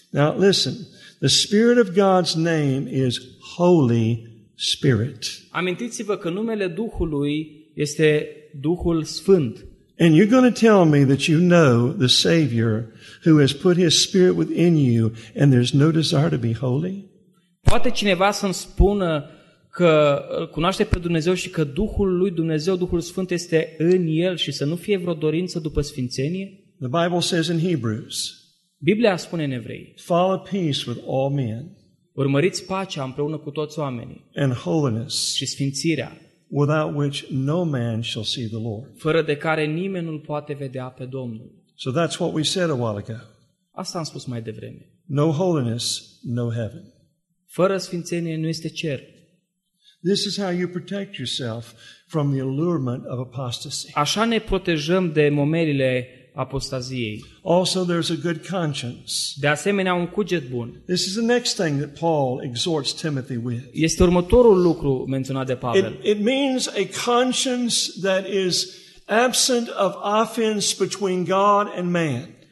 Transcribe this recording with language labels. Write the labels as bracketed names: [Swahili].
[English] Now listen. The Spirit of God's name is Holy Spirit. [Romanian] Amintiți-vă că numele Duhului este Duhul Sfânt. [English] And you're going to tell me that you know the Savior who has put his spirit within you and there's no desire to be holy? [Romanian] Poate cineva să-mi spună că îl cunoaște pe Dumnezeu și că Duhul lui Dumnezeu, Duhul Sfânt este în el și să nu fie vreo dorință după sfințenie? [English] The Bible says in Hebrews. [Romanian] Biblia spune în Evrei. [English] Follow peace with all men. [Romanian] Urmăriți pacea împreună cu toți oamenii. [English] And holiness. [Romanian] Și sfințirea. [English] Without which no man shall see the Lord. [Romanian] Fără de care nimeni nu-l poate vedea pe Domnul. [English] So that's what we said a while ago. [Romanian] Asta am spus mai devreme. [English] No holiness, no heaven. [Romanian] Fără sfințenie nu este cer. [English] This is how you protect yourself from the allurement of apostasy. [Romanian] Așa ne protejăm de momerile apostaziei. [English] Also there's a good conscience. [Romanian] De asemenea un cuget bun. [English] This is the next thing that Paul exhorts Timothy with. [Romanian] Este următorul lucru menționat de Pavel. [English] It means a conscience that is absent of offense between God and man.